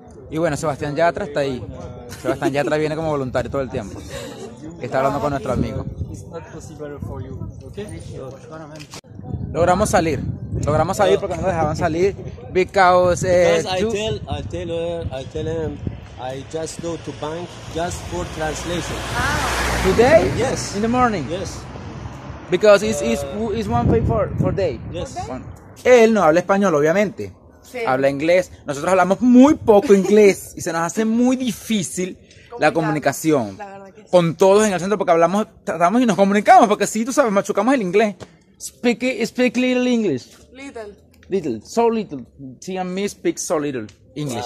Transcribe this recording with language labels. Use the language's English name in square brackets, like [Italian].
[Spanish] Y bueno, Sebastián Yatra está ahí. Sebastián Yatra viene como voluntario todo el tiempo. Está hablando con nuestro amigo. Logramos salir. Logramos salir porque no nos dejaban salir. [English] Because I tell him I just go to bank just for translation. Today? Yes. In the morning? Yes. Because it's one pay for day. Yes. [Spanish] Él no habla español, obviamente. Sí. Habla inglés. Nosotros hablamos muy poco inglés y se nos hace muy difícil la comunicación con todos en el centro porque hablamos, tratamos y nos comunicamos porque sí, tú sabes, machucamos el inglés. [English] Speak little English. Little. So little. She and me speak so little English.